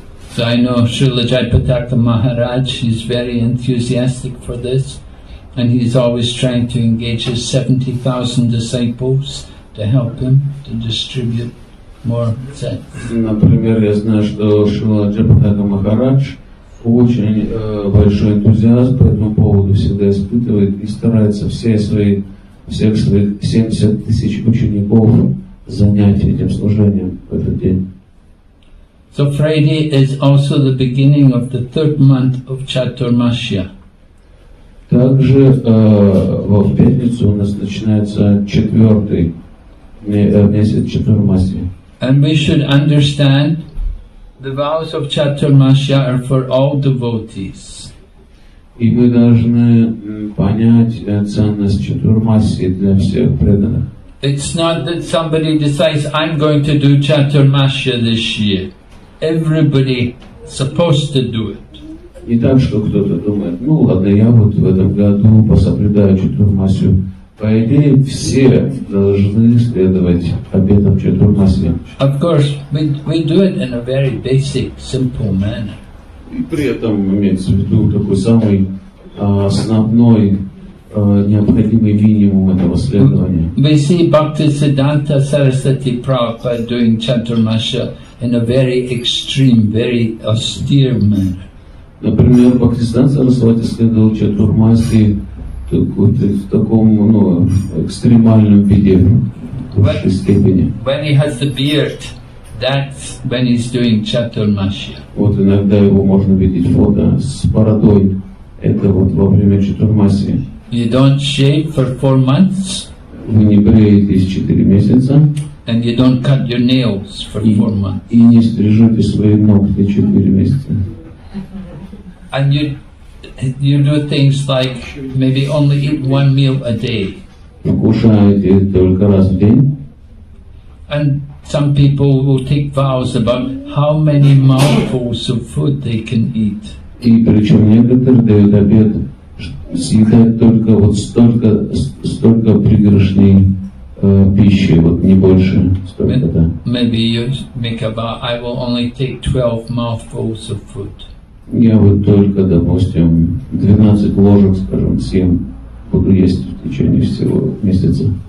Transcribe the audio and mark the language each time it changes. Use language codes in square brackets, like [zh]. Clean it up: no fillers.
[en] So I know Srila Jayapataka Maharaj is very enthusiastic for this. And he's always trying to engage his 70,000 disciples to help him to distribute more sets. [ru] Например, я знаю, что Шрила Джапатака Махарадж очень большой энтузиаст по этому поводу всегда испытывает и старается всех своих 70 тысяч учеников занять этим служением в этот день. [en] So Friday is also the beginning of the third month of Chaturmasya. [ru] Также в пятницу у нас начинается месяц Чатурмасьи. [en] And we should understand the vows of Chaturmasya are for all devotees. [ru] И мы должны понять ценность Чатурмасьи для всех преданных. [en] It's not that somebody decides I'm going to do Chaturmasya this year. Everybody supposed to do it. [ru] Не так, что кто-то думает, ну ладно, я вот в этом году пособлюдаю Чатурмасью. По идее, все должны следовать обетам Чатурмасья. [en] Of course, we do it in a very basic, simple manner. [ru] И при этом имеется в виду такой самый основной, необходимый минимум этого следования. [en] We see Bhaktisiddhanta Sarasati Prabhupada doing Чатурмасья in a very extreme, very austere manner. [ru] Например, Бхактисиддханта Сарасвати следовал Чатурмасьи в таком экстремальном виде, в высшей степени. [en] When he has the beard, that's when he's doing Чатурмасья. [ru] Вот иногда его можно видеть фото с бородой, это вот во время Чатурмасьи. [en] You don't shave for 4 months. [ru] Вы не бреетесь 4 месяца. [en] And you don't cut your nails for 4 months. [ru] И не стрижете свои ногти 4 месяца. [en] And you do things like maybe only eat one meal a day. [ru] Кушаете только раз в день. [en] And some people will take vows about how many mouthfuls of food they can eat. [ru] И причем некоторые дают обет съедать только вот столько пригоршней. Пищи, вот не больше, столько-то. [en] Maybe you make a vow, I will only take 12 mouthfuls of food. [ru] Я вот только, допустим, 12 ложек, скажем, съем, буду есть в течение всего месяца.